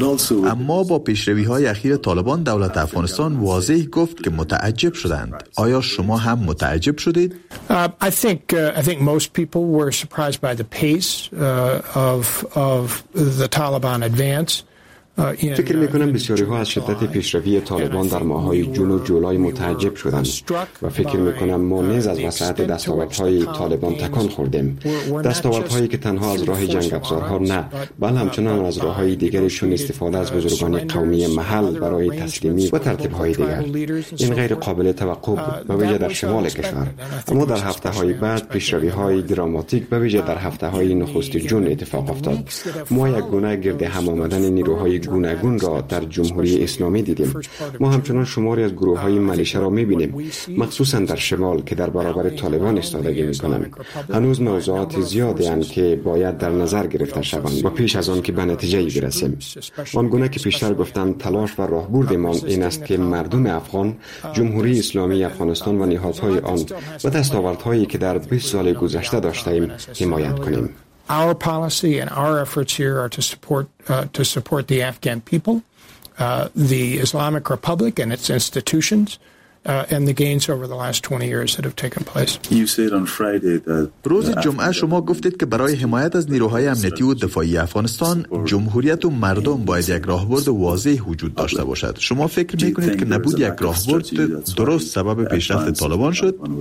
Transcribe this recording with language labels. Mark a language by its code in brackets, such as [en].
[fa] اما با پیشروی‌های اخیر طالبان دولت افغانستان واضح گفت که متعجب شدند. آیا شما هم متعجب شدید؟ [en] I think most people were surprised by the pace of the Taliban advance. [fa] فکر میکنم بسیاری ها از شدت پیشروی طالبان در ماهای جون و جولای متعجب شدند و فکر میکنم ما نیز از وسعت دستاوردهای طالبان تکان خوردیم. دستاوردهایی که تنها از راه جنگ افزارها نه، بل همچنان از راه های دیگرشون استفاده از بزرگان قومی محل برای تسلیمی و ترتیب های دیگر. این غیر قابل توقع بود به ویژه در شمال کشور. اما در هفته های بعد پیشروی های دراماتیک به ویژه در هفته های نخست جون اتفاق افتاد. ما یک گونه گرد هم آمدن نیروهای گوناگون را در جمهوری اسلامی دیدیم. ما همچنان شماری از گروه های ملیشه را میبینیم، مخصوصا در شمال که در برابر طالبان استادگی میکنند. هنوز موضوعات زیادی هستند که باید در نظر گرفته شوند و پیش از آن که به نتیجه برسیم. آنگونه که پیشتر گفتم، تلاش و راهبرد ما این است که مردم افغان، جمهوری اسلامی افغانستان و نهادهای آن و دستاوردهایی که در 20 سال گذشته داشته ایم حمایت کنیم. [en] Our policy and our efforts here are to support the Afghan people, the Islamic Republic and its institutions, and the gains over the last 20 years that have taken place. You said on Friday that [fa] روز جمعه شما گفتید که برای حمایت از نیروهای امنیتی و دفاعی افغانستان جمهوریت و مردم باید یک راهبرد واضح وجود داشته باشد. شما فکر میکنید که نبود یک راهبرد درست سبب پیشرفت طالبان شد؟